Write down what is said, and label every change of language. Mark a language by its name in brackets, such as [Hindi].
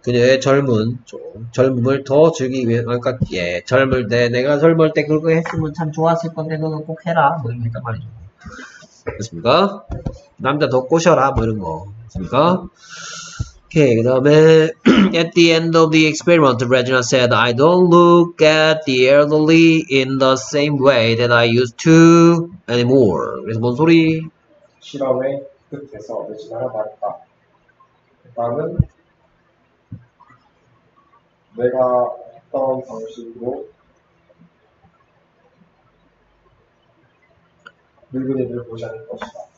[Korean] 그녀의 젊은, 좀 젊음을 더 즐기기 위해. 그러니까 얘 젊을 때, 내가 젊을 때 그거 했으면 참 좋았을 건데 너는 꼭 해라. 뭐 이런 말이죠. 됐습니까? 남자 더 꼬셔라 뭐 이런 거 됐습니까? [English] 오케이, [Korean] 그 다음에 [English] At the end of the experiment, Regina said, I don't look at the elderly in the same way that I used to anymore. [Korean] 그래서 뭔 소리? 실험의 끝에서 레지나가 말했다. 나는 내가 했던 방식으로 늙은이들을 보지 않을 것이다.